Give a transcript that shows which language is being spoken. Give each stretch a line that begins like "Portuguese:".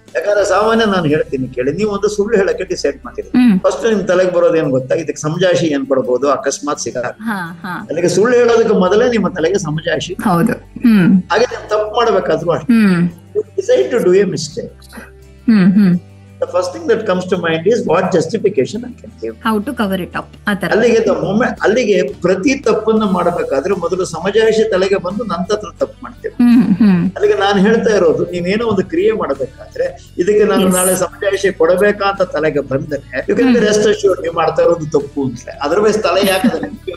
Kannada: ಯಾಕಂದ್ರೆ ಸಾಮಾನ್ಯ ನಾನು ಹೇಳ್ತೀನಿ ಕೇಳಿ, ನೀವು ಒಂದು ಸುಳ್ಳು ಹೇಳಕ್ಕೆ ಡಿಸೈಡ್ ಮಾಡಿದ್ರಿ, ಫಸ್ಟ್ ನಿಮ್ ತಲೆಗೆ ಬರೋದು ಏನು ಗೊತ್ತಾ, ಇದಕ್ಕೆ ಸಮಜಾಯಿಷಿ ಏನ್ ಕೊಡಬಹುದು, ಅಕಸ್ಮಾತ್ ಸಿಗಲ್ಲ. ನನಗೆ ಸುಳ್ಳು ಹೇಳೋದಕ್ಕೆ ಮೊದಲೇ ನಿಮ್ಮ ತಲೆಗೆ ಸಮಜಾಯಿಷಿ. ಹೌದು, ಹಾಗೆ ನೀವು ತಪ್ಪು ಮಾಡಬೇಕಾದ್ರೂ
English: Decide to do a mistake. The first thing that comes to mind is what justification I can give. How to cover it up.
Kannada: ಅಲ್ಲಿಗೆ
English: the moment,
Kannada: ಅಲ್ಲಿಗೆ ಪ್ರತಿ ತಪ್ಪನ್ನು ಮಾಡಬೇಕಾದ್ರೆ ಮೊದಲು ಸಮಜಾಯಿಷಿ ತಲೆಗೆ ಬಂದು ನಂತರ ತಪ್ಪು ಮಾಡ್ತೇವೆ. ಅಲ್ಲಿಗೆ ನಾನು ಹೇಳ್ತಾ ಇರೋದು, ನೀನೇನೋ ಒಂದು ಕ್ರಿಯೆ ಮಾಡಬೇಕಾದ್ರೆ ಇದಕ್ಕೆ ನಾನು ನಾಳೆ ಸಮಜಾಯಿಷಿ ಕೊಡಬೇಕಂತ ತಲೆಗೆ ಬಂದರೆ,
English: you can be rest assured
Kannada: ನೀವು ಮಾಡ್ತಾ ಇರೋದು ತಪ್ಪು ಅಂದ್ರೆ ಅದರ್ವೈಸ್ ತಲೆ ಯಾಕಂದ್ರೆ